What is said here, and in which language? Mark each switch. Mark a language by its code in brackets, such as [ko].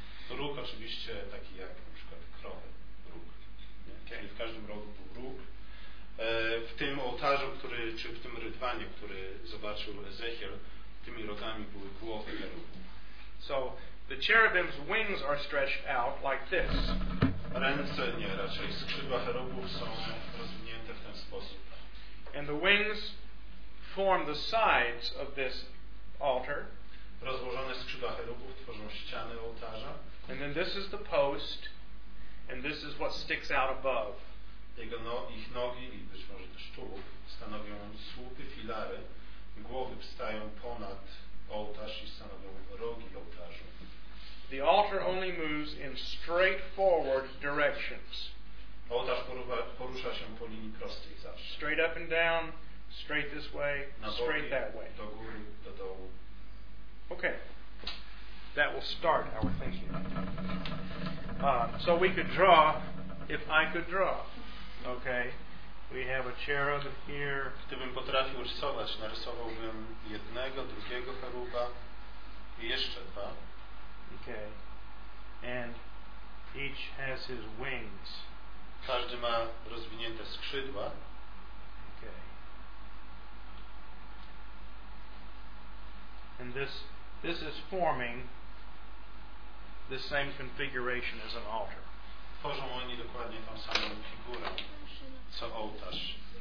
[pl] Róg oczywiście taki jak na przykład krowy. Róg. Czyli w każdym rogu był róg. W tym ołtarzu, który, czy w tym rydwanie, który zobaczył Ezechiel, tymi rogami były głowy cherubów. [en] So, the cherubim's wings are stretched out like this. [pl] Ręce, nie, raczej skrzydła cherubów są rozwinięte w ten sposób. [en] And the wings form the sides of this altar. [pl] Rozłożone skrzydła cherubów tworzą ściany ołtarza. [en] And then this is the post, and this is what sticks out above. [pl] Ich nogi, i być może też tułów, stanowią słupy, filary. Głowy wstają ponad ołtarz i stanowią rogi ołtarzu. [en] The altar only moves in straightforward directions. [pl] Ołtarz porusza się po linii prostej zawsze. [en] Straight up and down, straight this way, na straight that way. [pl] Do góry, do dołu. [en] Okay. That will start our thinking. So we could draw, if I could draw. Okay. We have a cherub here. [pl] Gdybym potrafił rysować, narysowałbym jednego, drugiego cheruba i jeszcze dwa. [en] Okay. And each has his wings. [pl] Każdy ma rozwinięte skrzydła. [en] Okay. And this is forming the same configuration as an altar. [pl] Tworzą oni dokładnie tą samą figurę co ołtarz.